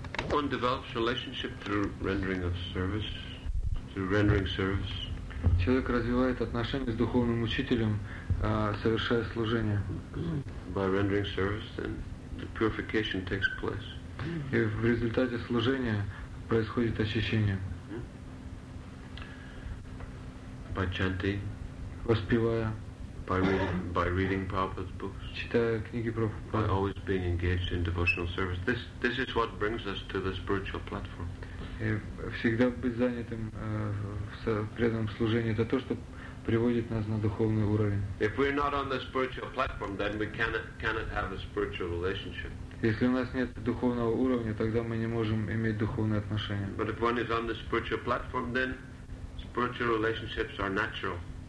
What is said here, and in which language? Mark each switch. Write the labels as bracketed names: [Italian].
[English] One develops relationship through rendering of service, through rendering service. [Russian] Человек развивает отношения с духовным учителем, совершая служение. [English] By rendering service, then the purification takes place. [Russian] И в результате служения происходит очищение. [English] By chanting. [Russian] Воспевая. [English] By reading Prabhupada's books. [Russian] Читая книги Прабхупады. [English] By always being engaged in devotional service. This is what brings us to the spiritual platform. [Russian] И всегда быть занятым в преданном служении — это то, что приводит нас на духовный уровень. [English] If we're not on the spiritual platform, then we cannot have a spiritual relationship. [Russian] Если у нас нет духовного уровня, тогда мы не можем иметь духовные отношения. [English] But if one is on the spiritual platform, then spiritual relationships are natural.